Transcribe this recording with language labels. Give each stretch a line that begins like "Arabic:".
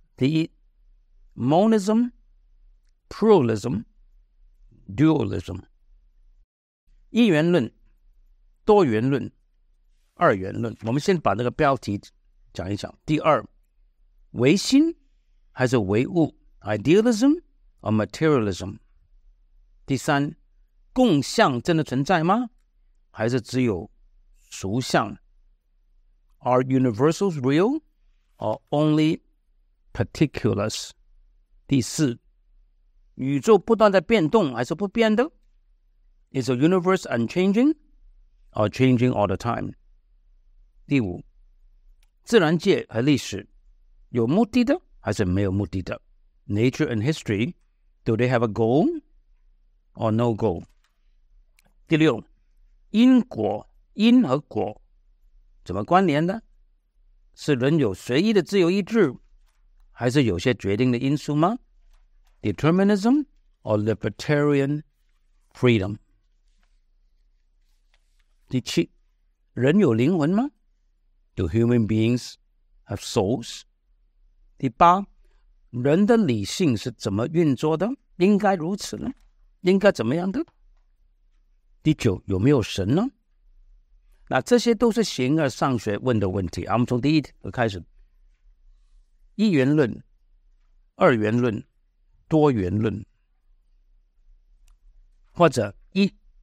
Chinese: 第一 ，
English: monism、pluralism、dualism，
Chinese: 一元论、多元论、二元论。我们先把这个标题讲一讲。第二，唯心还是唯物 ？
English: idealism or materialism？
Chinese: 第三。共相真的存在吗？还是只有俗相
English: ？Are universals real or only particulars？
Chinese: 第四，宇宙不断在变动还是不变的
English: ？Is the universe unchanging or changing all the time？
Chinese: 第五，自然界和历史有目的的还是没有目的的
English: ？Nature and history do they have a goal or no goal？
Chinese: 第六，因果因和果怎么关联呢？是人有随意的自由意志，还是有些决定的因素吗 ？
English: Determinism or libertarian freedom？
Chinese: 第七，人有灵魂吗
English: ？Do human beings have souls？
Chinese: 第八，人的理性是怎么运作的？应该如此呢？应该怎么样的？第九，有没有神呢？那这些都是形而上学问的问题。我们从第一开始，一元论、二元论、多元论，或者一